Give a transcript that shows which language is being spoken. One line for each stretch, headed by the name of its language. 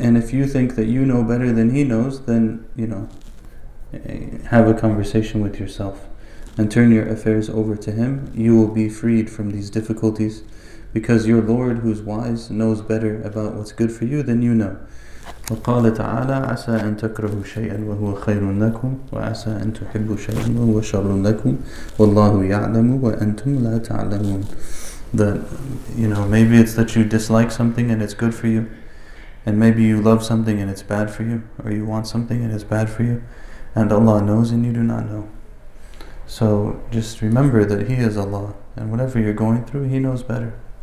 English: And if you think that you know better than he knows, then, you know, have a conversation with yourself, and turn your affairs over to him. You will be freed from these difficulties, because your Lord, who's wise, knows better about what's good for you than you know.
Arabic: وقال تعالى عسى أن تكرهوا شيئا وهو خير لكم وعسى أن تحبوا شيئا وهو شر لكم والله يعلم وأنتم لا تعلمون.
English: That, you know, maybe it's that you dislike something and it's good for you, and maybe you love something and it's bad for you, or you want something and it's bad for you, and Allah knows and you do not know. So just remember that He is Allah, and whatever you're going through, He knows better.